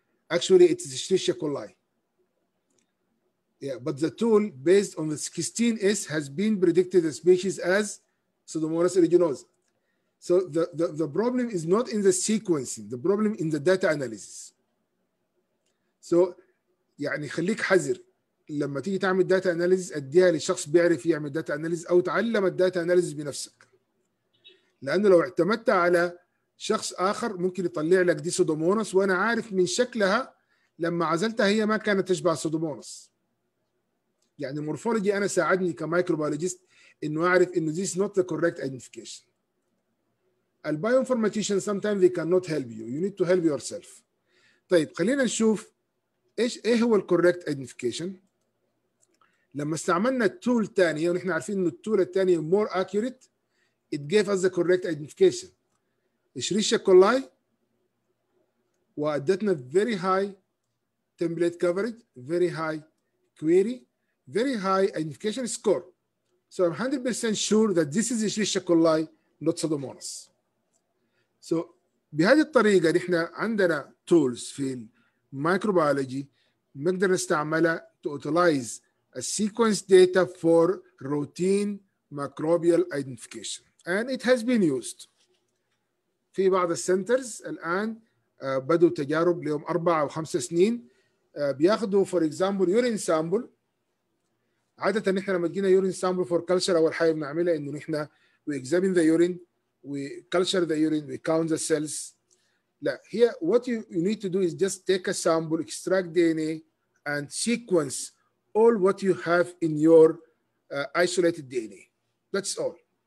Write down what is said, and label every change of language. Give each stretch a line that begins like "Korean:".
English: Actually, it's a Escherichia coli. Yeah, but the tool based on the 16S has been predicted the species as Pseudomonas aeruginosa. So the problem is not in the sequencing, the problem in the data analysis.
Arabic: So يعني خليك حذر لما تيجي تعمل data analysis اديها لشخص بيعرف يعمل data analysis او تعلم الداتا analysis بنفسك. لانه لو اعتمدت على شخص اخر ممكن يطلع لك دي Pseudomonas وانا عارف من شكلها لما عزلتها هي ما كانت تشبه Pseudomonas. يعني المورفولوجي انا ساعدني كمايكروبيولوجيست انه اعرف انه
English: this is not the correct identification. البايوانفورماتيشن sometimes they cannot help you. You need to help yourself.
Arabic: طيب خلينا نشوف ايه هو الكوريكت identification. لما استعملنا التول الثانيه ونحن عارفين انه التول الثانيه
English: More accurate it gave us the correct identification. Escherichia coli
Arabic: وادتنا
English: very high template coverage, very high query, very high identification score. So I'm 100% sure that this is Escherichia coli, not Pseudomonas. So
Arabic: بهذه الطريقة نحن عندنا tools في الميكروبيولوجي نقدر نستعملها
English: to utilize a sequence data for routine microbial identification. And it has been used.
Arabic: في بعض السنترز الآن بدوا تجارب لهم 4 أو 5 سنين بياخذوا
English: for example
Arabic: urine sample. عادة نحن لما جينا urine sample
English: for culture
Arabic: أول حاجة بنعملها إنه نحن
English: we examine the urine, we culture the urine, we count the cells.
Arabic: لا,
English: here what you need to do is just take a sample, extract DNA and sequence all what you have in your isolated DNA. That's all.